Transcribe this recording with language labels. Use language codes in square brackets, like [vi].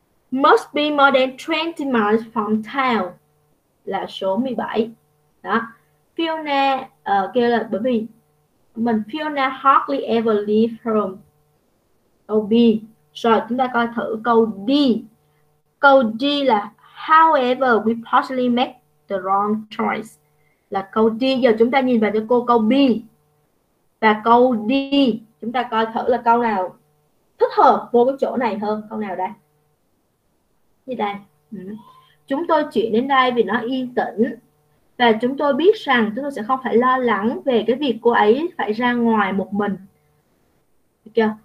[en] Must be more than 20 miles from town. [vi] Là số 17. Đó. Fiona kêu là bởi vì mình Fiona [en] hardly ever leave home. [vi] Câu B. Rồi chúng ta coi thử câu D. Câu D là [en] However, we possibly make the wrong choice. [vi] Là câu D. Giờ chúng ta nhìn vào cho cô câu B và câu D. Chúng ta coi thử là câu nào thích hợp vô cái chỗ này hơn. Câu nào đây? Như đây. Ừ. Chúng tôi chuyển đến đây vì nó yên tĩnh. Và chúng tôi biết rằng chúng tôi sẽ không phải lo lắng về cái việc cô ấy phải ra ngoài một mình. Được chưa?